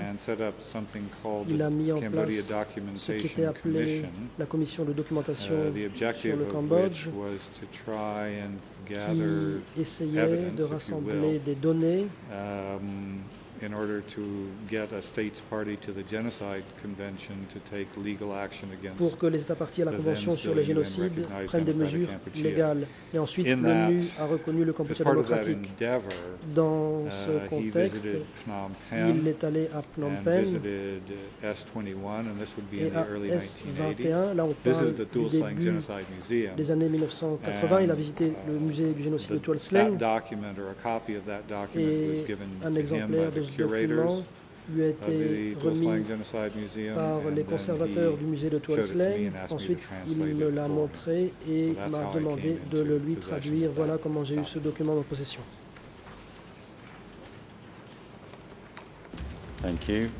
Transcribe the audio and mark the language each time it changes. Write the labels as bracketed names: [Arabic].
[English] and set up something called the Cambodia Documentation Commission, the objective of which was to try and gather evidence, if you will, in order to get a state's party to the genocide convention to take legal action against [French] pour que les états parties à la convention sur le génocide prennent des mesures légales. Et ensuite l'ONU a reconnu le Cambodge démocratique. [English] Endeavor, [French] dans ce contexte, il est allé à Phnom Penh [English] and visited S21, and this would be in the early 1980s. [French] Là on parle du début des années 1980, il a visité le musée du génocide de Tuol Sleng. That document or a copy of that document was given to him by the curators lui a été remis par les conservateurs du musée de Tuol Sleng. Ensuite, il me l'a montré et m'a demandé de le lui traduire. Voilà comment j'ai eu ce document en possession. [English] Thank you.